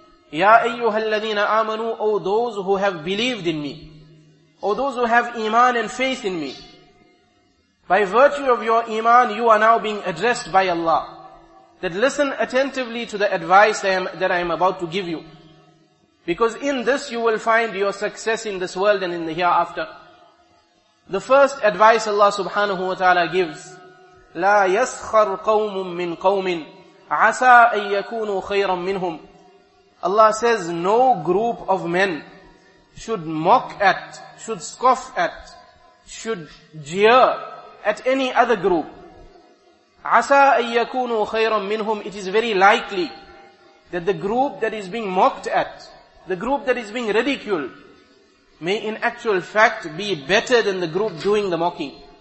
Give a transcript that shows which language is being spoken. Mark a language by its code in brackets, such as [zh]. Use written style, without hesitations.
[en] Ya [ar] أَيُّهَا الَّذِينَ آمَنُوا, [en] O those who have believed in me, O those who have Iman and faith in me, by virtue of your Iman, you are now being addressed by Allah. That listen attentively to the advice that I am about to give you. Because in this you will find your success in this world and in the hereafter. The first advice Allah subhanahu wa ta'ala gives, [ar] لَا يَسْخَرْ قَوْمٌ مِّن قَوْمٍ عَسَىٰ أَن يَكُونُوا خَيْرًا مِّنْهُمْ. [en] Allah says, no group of men should mock at, should scoff at, should jeer at any other group. [ar] عَسَىٰ أَن يَكُونُوا خَيْرًا مِّنْهُمْ. [en] It is very likely that the group that is being mocked at, the group that is being ridiculed, may in actual fact be better than the group doing the mocking.